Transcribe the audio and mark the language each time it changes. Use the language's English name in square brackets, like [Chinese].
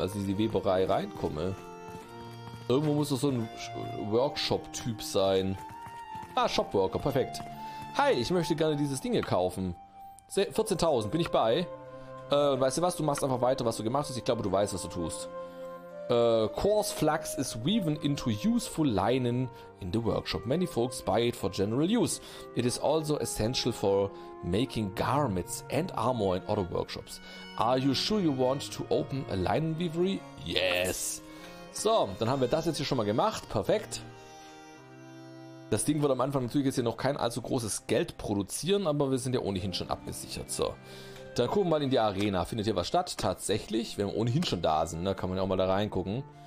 [German] Also diese Weberei reinkomme. Irgendwo muss doch so ein Workshop-Typ sein. Ah, Shopworker, perfekt. Hi, ich möchte gerne dieses Ding hier kaufen. 14.000, bin ich bei. Weißt du was, du machst einfach weiter, was du gemacht hast. Ich glaube, du weißt, was du tust. [English] Coarse flax is woven into useful linen in the workshop. Many folks buy it for general use. It is also essential for making garments and armor in other workshops. Are you sure you want to open a linen weavery? Yes. [German] So, dann haben wir das jetzt hier schon mal gemacht. Perfekt. Das Ding wird am Anfang natürlich jetzt hier noch kein allzu großes Geld produzieren, aber wir sind ja ohnehin schon abgesichert. So, dann gucken wir mal in die Arena. Findet hier was statt? Tatsächlich, wenn wir ohnehin schon da sind, da kann man ja auch mal da reingucken.